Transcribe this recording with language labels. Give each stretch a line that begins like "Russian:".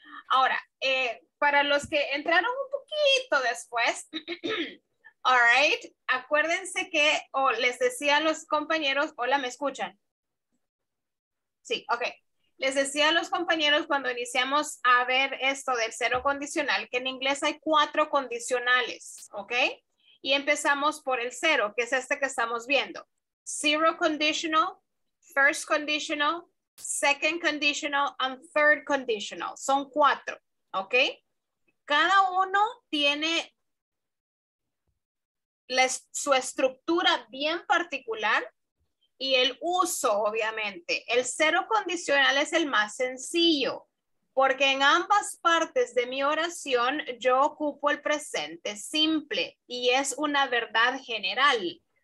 Spanish: Ahora, para los que entraron un poquito después, all right, acuérdense que, les decía a los compañeros, hola, ¿me escuchan? Sí, ok. Les decía a los compañeros cuando iniciamos a ver esto del cero condicional, que en inglés hay cuatro condicionales, ok. Y empezamos por el cero, que es este que estamos viendo.
English: Zero conditional, first conditional, second conditional, and third conditional.
Spanish: Son cuatro, ¿ok? Cada uno tiene su estructura bien particular y el uso, obviamente. El cero condicional es el más sencillo, porque en ambas partes de mi oración yo ocupo el presente simple y es una verdad general.